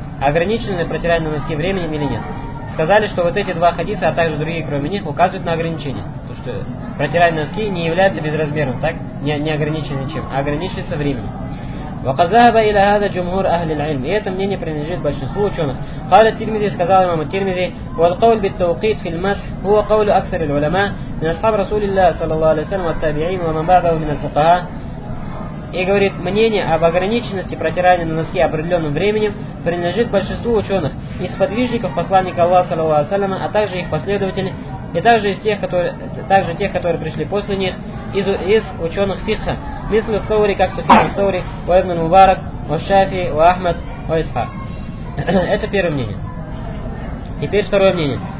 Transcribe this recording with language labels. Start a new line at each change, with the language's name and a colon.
Russian: Ограничено ли протирание на носки временем или нет? Сказали, что вот эти два хадиса, а также другие, кроме них, указывают на ограничение. То, что протирание носки не является безразмерным, так? Не ограничено ничем, а ограничивается временем.
Arabic: وقد ذهب الى هذا جمهور اهل العلم.
Russian: И это мнение принадлежит большинству ученых.
Arabic: قال الترمذي,
Russian: сказал имам
Arabic: الترمذي, والقول بالتوقيت في المسح هو قول اكثر العلماء من اصحاب رسول الله صلى الله عليه وسلم والتابعين ومن بعده من الفقهاء.
Russian: И говорит, мнение об ограниченности протирания на носки определенным временем принадлежит большинству ученых из подвижников посланника Аллаха, саллаллаху алейхи ва саллям, а также их последователей, и также из тех, которые пришли после них, из ученых фикха, мисль ас-саури, как Суфьян ас-саури, ва ибн аль-Мубарак, ва аш-Шафии, ва Ахмад, ва Исхак. Это первое мнение. Теперь второе мнение.